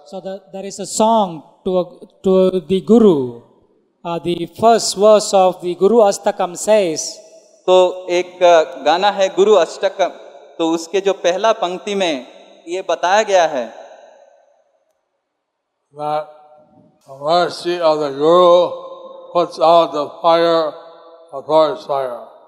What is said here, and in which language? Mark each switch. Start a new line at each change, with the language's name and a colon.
English: so the, there is a song to the guru. The first verse of the guru ashtakam says,
Hindi: to ek gana hai guru ashtakam. तो उसके जो पहला पंक्ति में ये बताया गया है
English: that the mercy of the guru puts out the fire of forest fire.